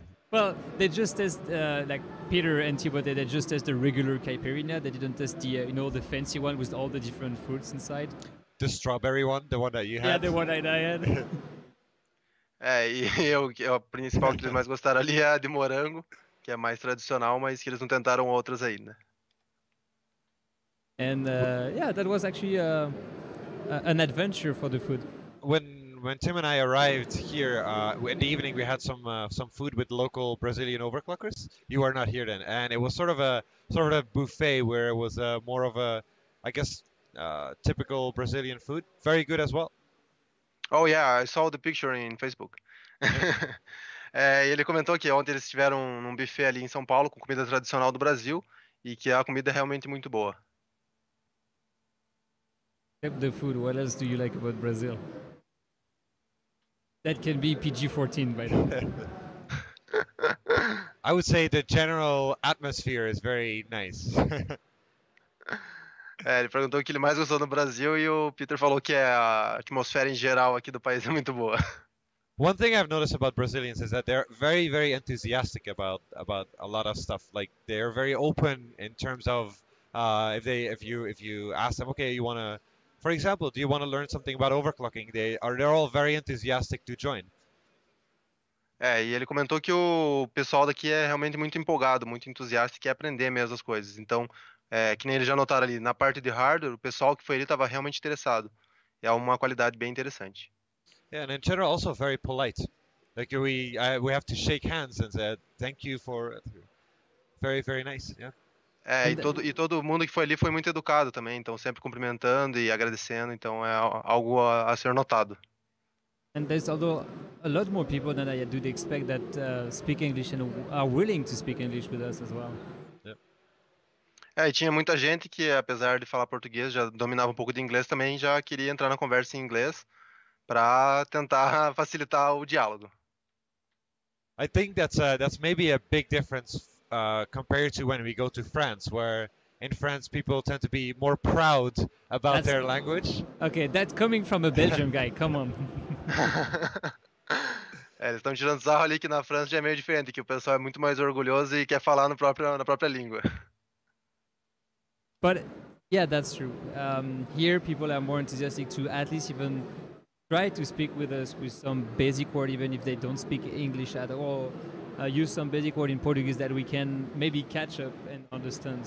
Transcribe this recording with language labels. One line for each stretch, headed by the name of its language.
English: Well, they just test, like Peter and Thibaut, they just test the regular caipirinha. They didn't test the, you know, the fancy one with all the different fruits inside. The strawberry one, the one that you had. Yeah, the one that I had.
Portuguese: O principal que eles mais gostaram ali é a de morango, que é mais tradicional, mas que eles não tentaram outras ainda.
English: And that was actually an adventure for the food. When Tim and I arrived here in the evening, we had some food with local Brazilian overclockers. You are not here then, and it was sort of a buffet where it was more of a, I guess, typical Brazilian food. Very good as well. Oh yeah, I saw the picture in Facebook.
Portuguese: Ele comentou que ontem eles tiveram um buffet ali em São Paulo com comida tradicional do Brasil, e que a comida é realmente muito boa.
English: Except the food, what else do you like about Brazil? That can be PG-14, by the way. I would say the general atmosphere is very nice.
Portuguese: É, ele perguntou o que ele mais gostou no Brasil e o Peter falou que a atmosfera em geral aqui do país é muito boa.
English: One thing I've noticed about Brazilians is that they're very, very enthusiastic about a lot of stuff. Like, they're very open in terms of if you ask them, okay, you want to, for example, do you want to learn something about overclocking? They're all very enthusiastic to join.
Portuguese: É, e ele comentou que o pessoal daqui é realmente muito empolgado, muito entusiasta e quer aprender mesmo as coisas. Então, é, que nem eles já notaram ali, na parte de hardware, o pessoal que foi ali estava realmente interessado. É uma qualidade bem interessante.
English: Yeah, and in general, also very polite. Like, we have to shake hands and say thank you for... Very, very nice, yeah.
Portuguese: É, e todo mundo que foi ali foi muito educado também, então sempre cumprimentando e agradecendo, então é algo a ser notado.
English: And there's also a lot more people than I do expect that speak English and are willing to speak English with us as well. Yeah.
Portuguese: É, e tinha muita gente que, apesar de falar português, já dominava um pouco de inglês também, já queria entrar na conversa em inglês para tentar facilitar o diálogo.
English: I think that's maybe a big difference compared to when we go to France, where in France people tend to be more proud about their language. Okay, that's coming from a Belgian guy, come on.
Portuguese: É, eles estão tirando sarro ali que na França já é meio diferente, que o pessoal é muito mais orgulhoso e quer falar na própria língua.
English: But yeah, that's true. Here people are more enthusiastic to at least even try to speak with us with some basic word, even if they don't speak English at all. Use some basic word in Portuguese that we can maybe catch up and understand.